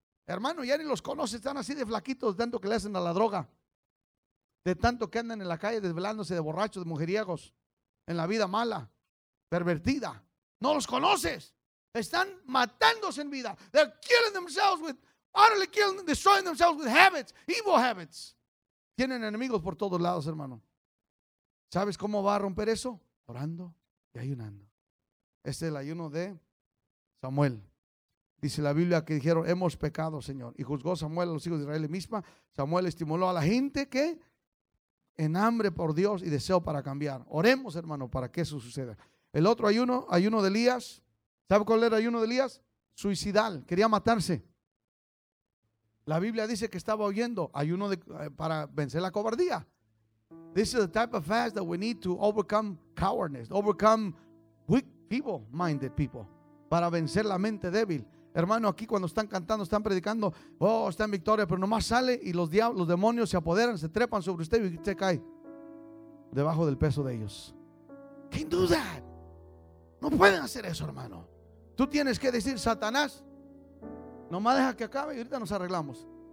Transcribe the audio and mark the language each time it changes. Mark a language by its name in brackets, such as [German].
[Spanish] Hermano, ya ni los conoces, están así de flaquitos, de tanto que le hacen a la droga. De tanto que andan en la calle desvelándose de borrachos, de mujeriegos, en la vida mala, pervertida. No los conoces. Están matándose en vida. [English] They're killing themselves with, utterly killing, destroying themselves with habits, evil habits. [Spanish] Tienen enemigos por todos lados, hermano. ¿Sabes cómo va a romper eso? Orando y ayunando. Este es el ayuno de Samuel. Dice la Biblia que dijeron, hemos pecado, Señor. Y juzgó Samuel a los hijos de Israel misma. Samuel estimuló a la gente que en hambre por Dios y deseo para cambiar. Oremos, hermano, para que eso suceda. El otro ayuno, ayuno de Elías. ¿Sabe cuál era el ayuno de Elías? Suicidal, quería matarse. La Biblia dice que estaba oyendo ayuno de, para vencer la cobardía. [English] This is the type of fast that we need to overcome cowardness, overcome weak people, minded people, [Spanish] para vencer la mente débil. Hermano, aquí cuando están cantando, están predicando, oh, está en victoria, pero nomás sale y los diablos, los demonios se apoderan, se trepan sobre usted y usted cae debajo del peso de ellos. [English] Can't do that. [Spanish] No pueden hacer eso, hermano. Tú tienes que decir, Satanás, nomás deja que acabe y ahorita nos arreglamos.